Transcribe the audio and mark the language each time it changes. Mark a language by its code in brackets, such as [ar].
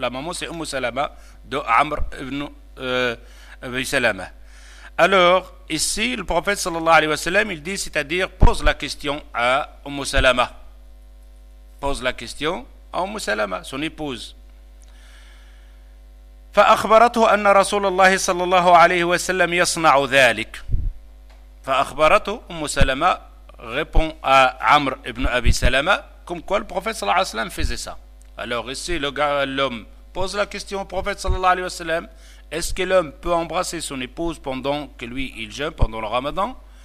[fr] La maman c'est Umm Salama de Amr ibn Abi Salama. Alors ici le prophète sallallahu alayhi wa sallam il dit, c'est-à-dire pose la question à Umm Salama. Pose la question à Umm Salama, son épouse. [ar] فأخبرته أن رسول الله صلى الله عليه وسلم يصنع ذلك. فأخبرته أم سلمة [fr] répond à Amr ibn Abi Salama comme quoi le prophète صلى الله عليه وسلم faisait ça. Alors ici l'homme pose la question au prophète صلى الله عليه وسلم, est-ce que l'homme peut embrasser son épouse pendant que lui il jeûne pendant le ramadan?